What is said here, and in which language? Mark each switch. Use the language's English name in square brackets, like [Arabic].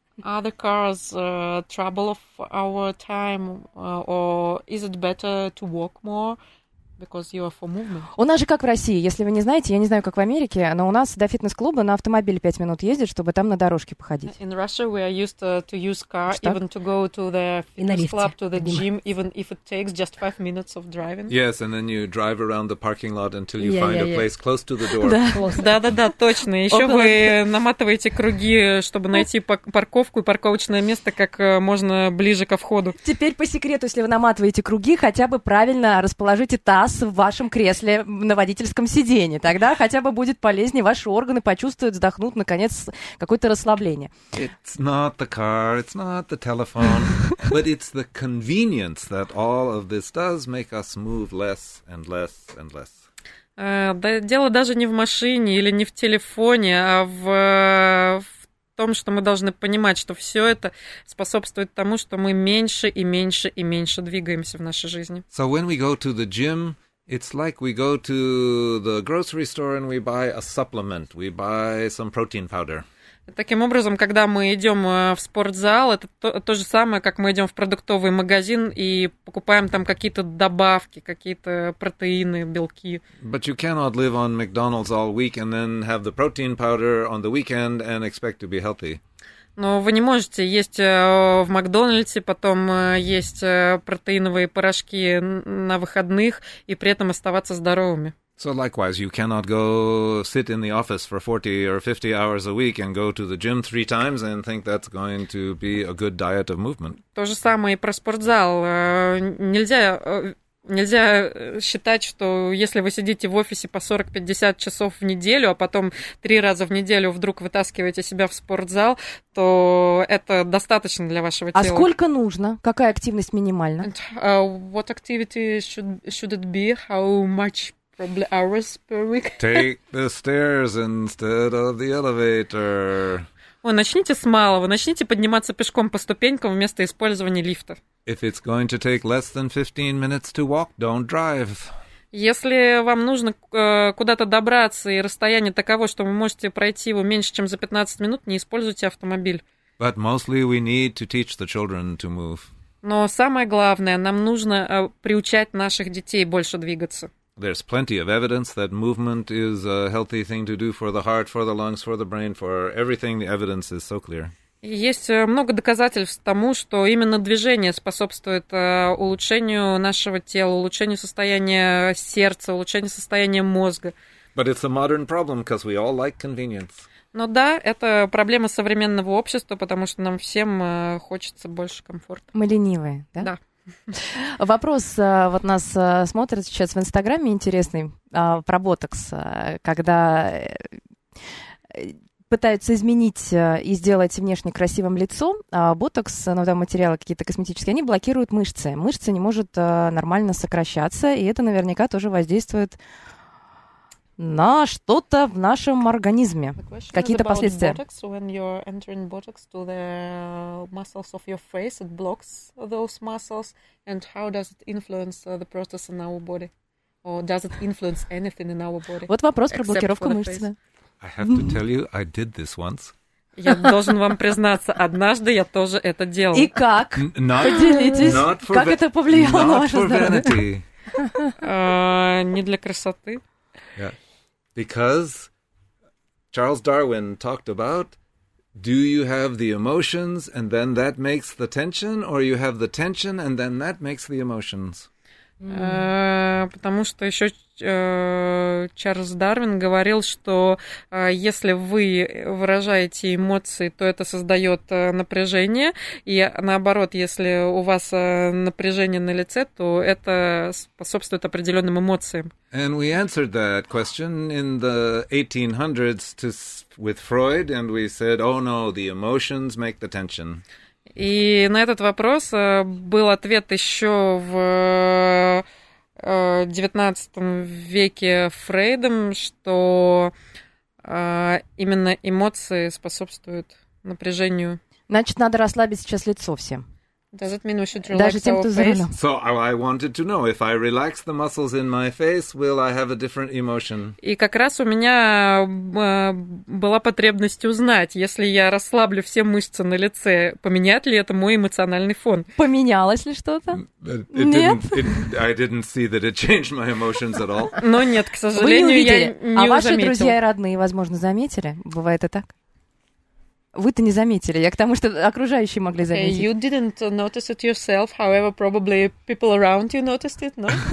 [English] Other cars trouble of our time, or is it better to walk more? Because you are for movement. [Russian] У нас же как в России, если вы не знаете, я не знаю, как в Америке, но у нас до фитнес-клуба на автомобиле 5 минут ездить, чтобы там на дорожке походить. [English] In Russia we are used to use car, [Russian] что? [English] Even to go to the fitness club, to the gym, even if it takes just 5 minutes of driving. Yes, and then you drive around the parking lot until you find a place close to the door. [Russian] Да-да-да, точно. Еще вы наматываете круги, чтобы найти парковку и парковочное место как можно ближе ко входу. Теперь по секрету, если вы наматываете круги, хотя бы правильно расположите так, в вашем кресле на водительском сиденье. Тогда хотя бы будет полезнее, ваши органы почувствуют, вздохнут, наконец, какое-то расслабление. [English] It's not the car, it's not the telephone, but it's the convenience that all of this does make us move less and less and less. [Russian] Да, дело даже не в машине или не в телефоне, а в том, что мы должны понимать, что все это способствует тому, что мы меньше и меньше и меньше двигаемся в нашей жизни. [English] So when we go to the gym, it's like we go to the grocery store and we buy a supplement, we buy some protein powder. [Russian] Таким образом, когда мы идем в спортзал, это то же самое, как мы идем в продуктовый магазин и покупаем там какие-то добавки, какие-то протеины, белки. [English] But you cannot live on McDonald's all week and then have the protein powder on the weekend and expect to be healthy. [Russian] Но вы не можете есть в Макдональдсе, потом есть протеиновые порошки на выходных и при этом оставаться здоровыми. [English] So likewise, you cannot go sit in the office for 40 or 50 hours a week and go to the gym three times and think that's going to be a good diet of movement. [Russian] То же самое и про спортзал. Нельзя считать, что если вы сидите в офисе по 40-50 часов в неделю, а потом три раза в неделю вдруг вытаскиваете себя в спортзал, то это достаточно для вашего тела. А сколько нужно? Какая активность минимальна? [English] And, what activity should it be? How much probably hours per week? Take the stairs instead of the elevator. [Russian] Ой, начните с малого. Начните подниматься пешком по ступенькам вместо использования лифта. [English] If it's going to take less than 15 minutes to walk, don't drive. [Russian] Если вам нужно куда-то добраться, и расстояние таково, что вы можете пройти его меньше, чем за 15 минут, не используйте автомобиль. [English] But mostly we need to teach the children to move. [Russian] Но самое главное, нам нужно приучать наших детей больше двигаться. [English] There's plenty of evidence that movement is a healthy thing to do for the heart, for the lungs, for the brain, for everything. The evidence is so clear. [Russian] Есть много доказательств тому, что именно движение способствует улучшению нашего тела, улучшению состояния сердца, улучшению состояния мозга. [English] But it's a modern problem because we all like convenience. [Russian] Но да, это проблема современного общества, потому что нам всем хочется больше комфорта. Мы ленивые, да? Да. Вопрос вот нас смотрят сейчас в Инстаграме интересный про ботокс, когда пытаются изменить и сделать внешне красивым лицо, а ботокс, ну там материалы какие-то косметические, они блокируют мышцы. Мышца не может нормально сокращаться, и это наверняка тоже воздействует на что-то в нашем организме. Какие-то последствия. [English] The question is about botox. When you're entering botox to the muscles of your face, it blocks those muscles. And how does it influence the process in our body? Or does it influence anything in our body? [Russian] Вот вопрос про блокировку мышц. [English] I have to tell you, I did this once. [Russian] Я должен вам признаться, однажды я тоже это делал. И как? Поделитесь, как это повлияло на ваше здоровье? Не для красоты. [English] Yeah, because Charles Darwin talked about, do you have the emotions and then that makes the tension, or you have the tension and then that makes the emotions? [Russian] Потому что еще Чарльз Дарвин говорил, что если вы выражаете эмоции, то это создает напряжение, и наоборот, если у вас напряжение на лице, то это способствует определенным эмоциям. [English] And we answered that question in the 1800s with Freud, and we said, oh no, the emotions make the tension. [Russian] И на этот вопрос был ответ еще в 19 веке Фрейдом, что именно эмоции способствуют напряжению. Значит, надо расслабить сейчас лицо всем. [English] Does that mean we should relax [Russian] Даже тем, кто за рулем. [English] So I wanted to know, if I relax the muscles in my face, will I have a different emotion? [Russian] И как раз у меня была потребность узнать, если я расслаблю все мышцы на лице, поменяет ли это мой эмоциональный фон? Поменялось ли что-то? Нет? [English] I didn't see that it changed my emotions at all. [Russian] Но нет, к сожалению, я не заметил. А ваши друзья и родные, возможно, заметили? Бывает и так? Вы-то не заметили, я к тому, что окружающие могли заметить. [English] Okay, you didn't notice it yourself, however, probably people around you noticed it, no?